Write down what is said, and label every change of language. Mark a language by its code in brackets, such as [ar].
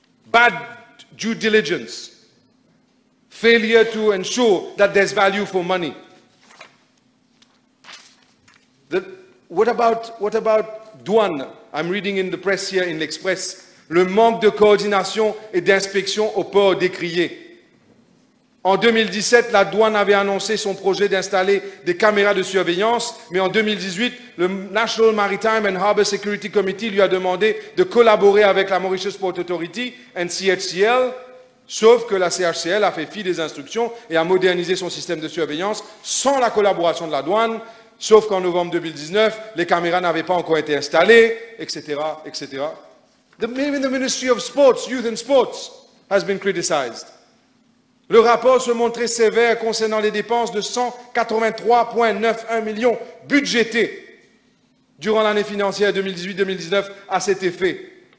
[en] Bad due diligence, failure to ensure that there's value for money. What about douane? I'm reading in the press here in L'Express. [fr] Le manque de coordination et d'inspection au port décrié. En 2017, la douane avait annoncé son projet d'installer des caméras de surveillance, mais en 2018, le National Maritime and Harbour Security Committee lui a demandé de collaborer avec la Mauritius Port Authority, NCHCL, sauf que la CHCL a fait fi des instructions et a modernisé son système de surveillance sans la collaboration de la douane, sauf qu'en novembre 2019, les caméras n'avaient pas encore été installées, etc., etc. [en] Even the Ministry of Sports, Youth and Sports has been criticized. [fr] Le rapport se montrait sévère concernant les dépenses de 183,91 millions budgétés durant l'année financière 2018-2019 à cet effet.